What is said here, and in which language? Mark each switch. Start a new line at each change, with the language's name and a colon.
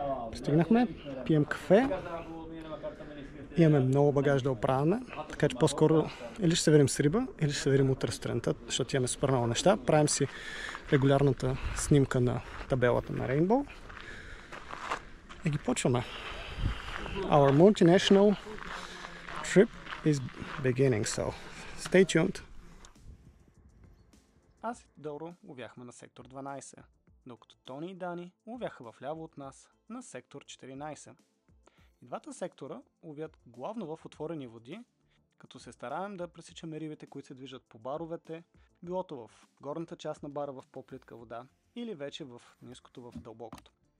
Bulgarian: Пристигнахме, пием кафе, имаме много багаж да оправяме, така че по-скоро или ще се верим с риба, или ще се верим утре сутринта, защото имаме супер много неща. Правим си регулярната снимка на табелата на Rainbow и ги почваме.
English: Our multinational trip is beginning, so stay tuned.
Bulgarian: Аз и Доро увяхме на сектор 12. Докато Тони и Дани ловяха в ляво от нас, на сектор 14. И двата сектора ловят главно в отворени води, като се стараем да пресичаме рибите, които се движат по баровете, билото в горната част на бара в по-плитка вода или вече в ниското в дълбокото.